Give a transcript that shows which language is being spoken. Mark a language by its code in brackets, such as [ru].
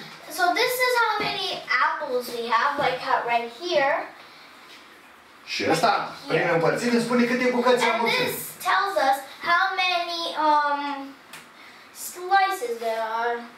[en] So this is how many apples we have, like right here. [ro] Și ăsta prin împărțire îmi spune câte bucăți am. [en] And this tells us how many slices there are.